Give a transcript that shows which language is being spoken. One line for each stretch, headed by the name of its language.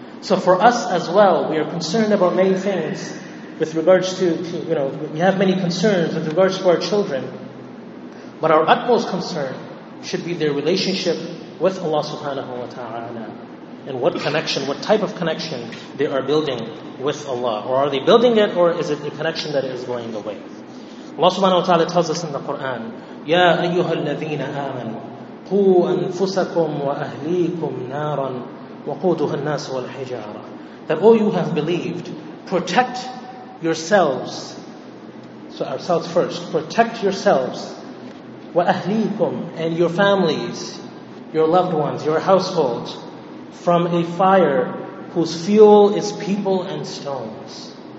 English: So for us as well, we are concerned about many things with regards to you know, we have many concerns with regards to our children. But our utmost concern should be their relationship with Allah subhanahu wa ta'ala. And what connection, what type of connection they are building with Allah. Or are they building it, or is it a connection that is going away? Allah subhanahu wa ta'ala tells us in the Quran,
Arabic: يَا أَيُّهَا الَّذِينَ آمَنُوا قُوا أَنفُسَكُمْ وَأَهْلِيكُمْ نَارًا وَقُودُهَا النَّاسُ وَالْحِجَارَةُ.
English: That all you have believed, protect yourselves. So ourselves first. Protect yourselves. وَأَهْلِيكُمْ, and your families, your loved ones, your households, from a fire whose fuel is people and stones.